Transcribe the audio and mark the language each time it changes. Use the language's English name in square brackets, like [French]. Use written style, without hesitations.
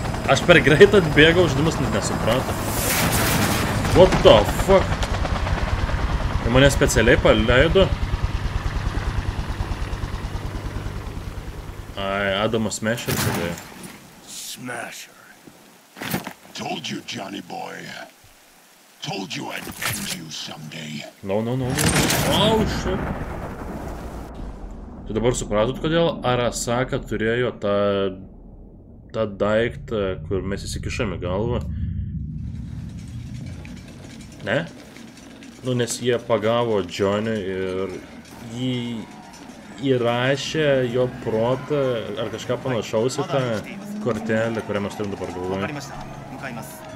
[Lithuanian] aš per greit atbėgau, žinomas nesuprantu. [English] What the fuck? [Lithuanian] Ir mane specialiai paleido. Ai, Adamas Smasher sėdėjo. [English] Smasher. Told you, Johnny boy. Told you I'd end you someday. No. Oh, shit. [Lithuanian] Tu dabar supratot, kodėl Arasaka turėjo tą daiktą, kur mes įsikišame galvą? Ne? Nu, nes jie pagavo Johnny ir jį įrašė jo protą, ar kažką panašaus į tą kortelę, kurią mes turim dabar galvoje.